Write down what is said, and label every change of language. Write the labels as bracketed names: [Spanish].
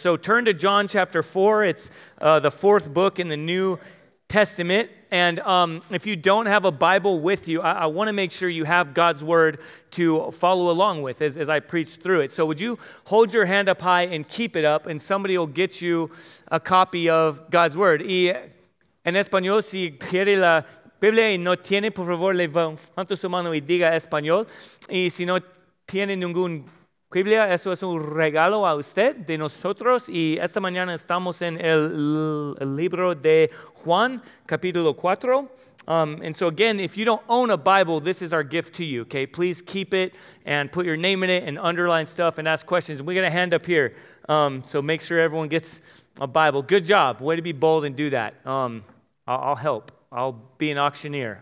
[English] So turn to John chapter 4. It's the fourth book in the New Testament. And if you don't have a Bible with you, I want to make sure you have God's word to follow along with as I preach through it. So would you hold your hand up high and keep it up, and somebody will get you a copy of God's word. [Spanish] En español, si quiere la Biblia y no tiene, por favor, levante su mano y diga español. Y si no tiene ningún Biblia, eso es un regalo a usted, de nosotros. Y esta mañana estamos en el libro de Juan, capítulo 4. [English] And so again, if you don't own a Bible, this is our gift to you, okay? Please keep it and put your name in it and underline stuff and ask questions. We got a hand up here, so make sure everyone gets a Bible. Good job. Way to be bold and do that. I'll help. I'll be an auctioneer.